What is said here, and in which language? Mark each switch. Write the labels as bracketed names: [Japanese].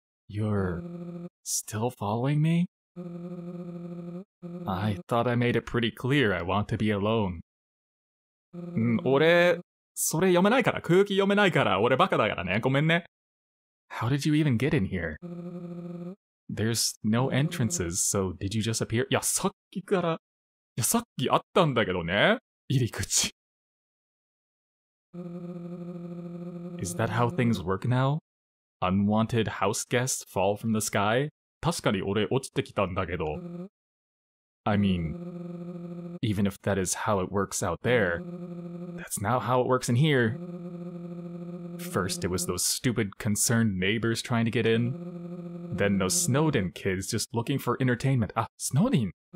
[English] You're still following me? I thought I made it pretty clear I want to be alone. [Japanese] ん、俺、それ読めないから、空気読めないから、俺バカだからね、ごめんね。 [English] How did you even get in here? There's no entrances, so did you just appear? [Japanese] いや、さっきから、いや、さっきあったんだけどね、入り口。 [English] Is that how things work now? Unwanted house guests fall from the sky? [Japanese] 確かに俺落ちてきたんだけど。 [English] I mean, even if that is how it works out there, that's not how it works in here. First, it was those stupid concerned neighbors trying to get in. Then those Snowden kids just looking for entertainment. Ah, Snowden!